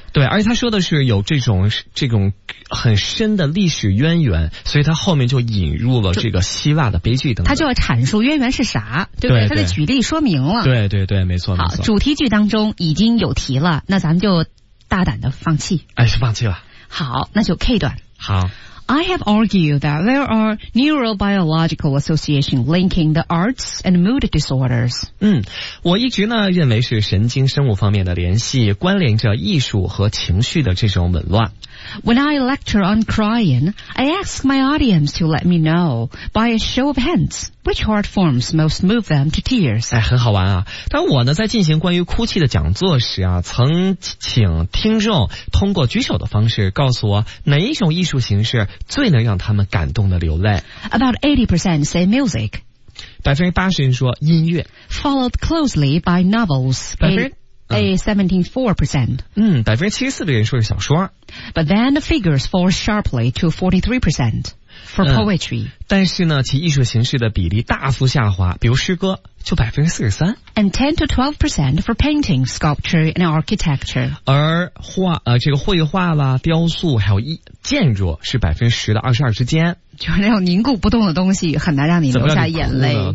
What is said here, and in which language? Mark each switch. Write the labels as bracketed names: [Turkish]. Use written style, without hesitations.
[Chinese] 对，而且他说的是有这种很深的历史渊源，所以他后面就引入了这个希腊的悲剧等等。他就要阐述渊源是啥，对不对？他的举例说明了。对对对，没错没错。好，主题句当中已经有题了，那咱们就大胆的放弃。哎，是放弃了。好，那就 K 段。好。 [English] I have argued that there are neurobiological association linking the arts and mood disorders. [Chinese] 嗯，我一直呢认为是神经生物方面的联系，关联着艺术和情绪的这种紊乱。 [English] When I lecture on crying, I ask my audience to let me know by a show of hands which art forms most move them to tears. [Chinese] 哎，很好玩啊！当我呢在进行关于哭泣的讲座时啊，曾请听众通过举手的方式告诉我哪一种艺术形式最能让他们感动的流泪。 [English] About 80% say music. [Chinese] 80%人说音乐。 [English] Followed closely by novels. 17.4%. [Chinese] 嗯 ,74% 的人说是小说。 [English] But then the figures fall sharply to 43% for poetry. [Chinese] 但是呢其艺术形式的比例大幅下滑，比如诗歌就 43%。 [English] And 10-12% for painting, sculpture, and architecture. [Chinese] 而画这个绘画啦雕塑还有建筑是10%-22%之间。就是那种凝固不动的东西很难让你流下眼泪。